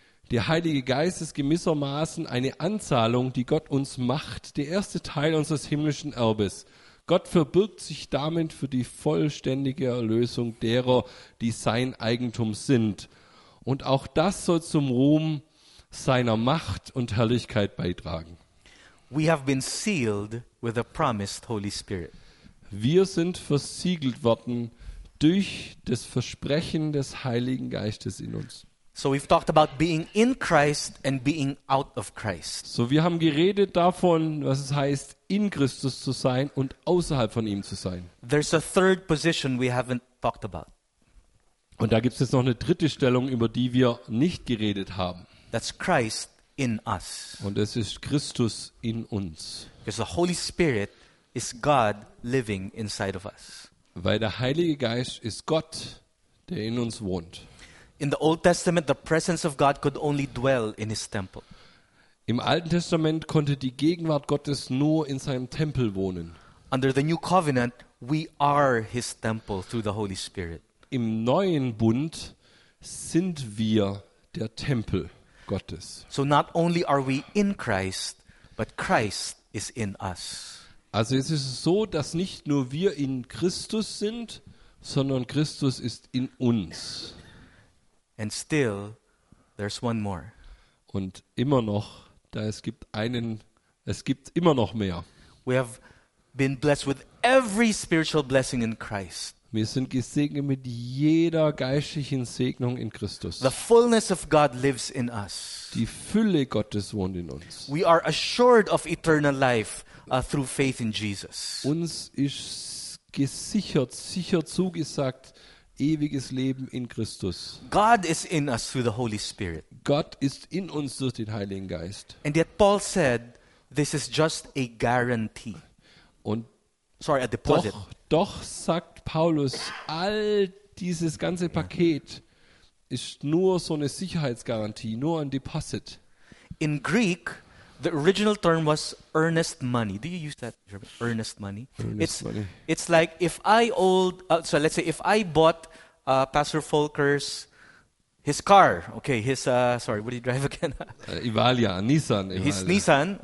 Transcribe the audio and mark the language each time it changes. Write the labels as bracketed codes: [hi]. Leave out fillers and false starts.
[de] Der Heilige Geist ist gewissermaßen eine Anzahlung, die Gott uns macht, der erste Teil unseres himmlischen Erbes. Gott verbirgt sich damit für die vollständige Erlösung derer, die sein Eigentum sind. Und auch das soll zum Ruhm seiner Macht und Herrlichkeit beitragen. [en] We have been sealed with the promised Holy Spirit. [de] Wir sind versiegelt worden durch das Versprechen des Heiligen Geistes in uns. [en] So we've talked about being in Christ and being out of Christ. [de] So wir haben geredet davon, was es heißt, in Christus zu sein und außerhalb von ihm zu sein. [en] There's a third position we haven't talked about. [de] Und da gibt es jetzt noch eine dritte Stellung, über die wir nicht geredet haben. [en] That's Christ in us. [de] Und es ist Christus in uns. [en] Because the Holy Spirit is God living inside of us. [de] Weil der Heilige Geist ist Gott, der in uns wohnt. [en] In the Old Testament, the presence of God could only dwell in his temple. [de] Im Alten Testament konnte die Gegenwart Gottes nur in seinem Tempel wohnen. [en] Under the new covenant, we are his temple through the Holy Spirit. [de] Im neuen Bund sind wir der Tempel Gottes. [en] So not only are we in Christ, but Christ is in us. [de] Also es ist so, dass nicht nur wir in Christus sind, sondern Christus ist in uns. [en] And still, there's one more. [de] Und immer noch, da es gibt immer noch mehr. [en] We have been blessed with every spiritual blessing in Christ. [de] Wir sind gesegnet mit jeder geistlichen Segnung in Christus. [en] The fullness of God lives in us. [de] Die Fülle Gottes wohnt in uns. [en] We are assured of eternal life through faith in Jesus. [de] Uns ist gesichert, sicher zugesagt, ewiges Leben in Christus. [en] God is in us through the Holy Spirit. [de] Gott ist in uns durch den Heiligen Geist. [en] And yet Paul said, this is just a guarantee. A deposit. [de] Doch sagt Paulus, all dieses ganze Paket ist nur so eine Sicherheitsgarantie, nur ein Deposit. [en] In Greek, the original term was earnest money. Do you use that term, earnest money? It's like if I owed, so let's say if I bought Pastor Volker's his car, okay, what did he drive again? Nissan,